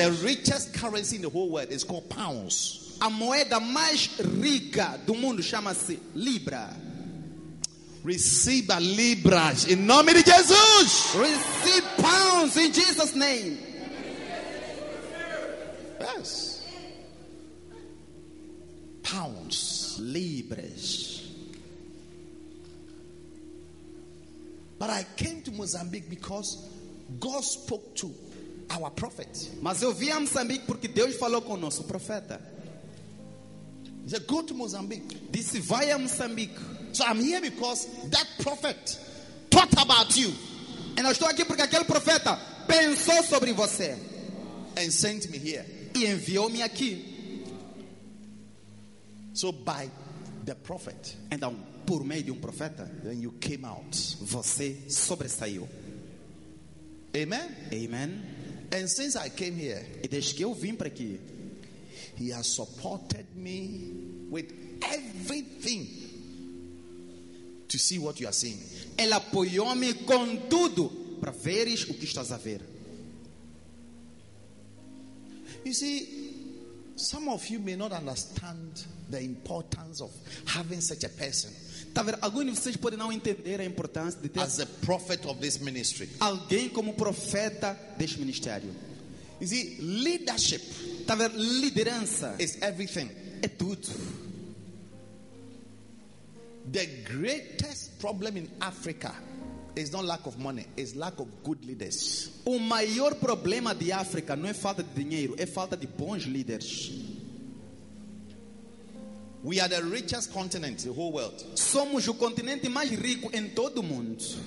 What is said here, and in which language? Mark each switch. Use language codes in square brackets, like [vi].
[en] The richest currency in the whole world is called pounds. [pt] A moeda mais rica do mundo chama-se libra. Receba libras em nome de Jesus. [en] Receive pounds in Jesus' name. Yes. Pounds. [pt] Libras. [en] But I came to Mozambique because God spoke to our prophet. [pt] Mas eu vim a Moçambique porque Deus falou com o nosso profeta. [en] He said, go to Mozambique. [pt] Disse, vai a Moçambique. [en] So I'm here because that prophet taught about you. [pt] E eu estou aqui porque aquele profeta pensou sobre você. [en] And sent me here. [pt] E enviou-me aqui. [en] So by the prophet. [pt] Então, por meio de profeta, [en] then you came out. [pt] Você sobressaiu. [en] Amen. [pt] Amen. [en] And since I came here, [pt] e desde que eu vim para aqui, [en] he has supported me with everything to see what you are seeing. [pt] Ele apoiou-me com tudo para veres o que estás a ver. [en] You see, some of you may not understand the importance of having such a person. [pt] Talvez alguns de vocês podem não entender a importância de ter [en] as a prophet of this ministry. [pt] Alguém como profeta deste ministério. [en] You see, leadership. [pt] Talvez liderança [en] is everything. [pt] É tudo. [en] The greatest problem in Africa is not lack of money, it's lack of good leaders. [pt] O maior problema de África não é falta de dinheiro, é falta de bons líderes. [en] We are the richest continent in the whole world. [pt] Somos o continente mais rico em todo o mundo.